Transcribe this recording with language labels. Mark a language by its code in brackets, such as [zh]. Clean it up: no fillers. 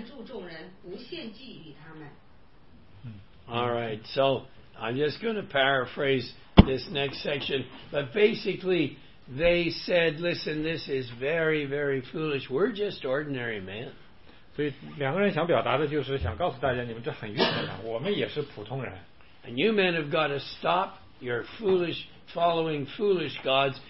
[zh] 我们传福音给你们，是叫你们离弃这些虚妄、归向那创造天地海和其中万物的永生神。他在从前的世代，任凭万国各行其道。然而归自己，未尝不显出证据来，就如常施恩惠，从天降雨，赏赐丰年，叫你们饮食饱足，满心喜乐。二人说了这些话，紧紧地难住众人，不献祭与他们。 [en] Alright, so I'm just going to paraphrase this next section. But basically, they said, "Listen, this is very, very foolish. We're just ordinary men." [zh] 所以两个人想表达的就是想告诉大家，你们这很愚蠢的，我们也是普通人。 [en] And you men have got to stop your foolish, following foolish gods.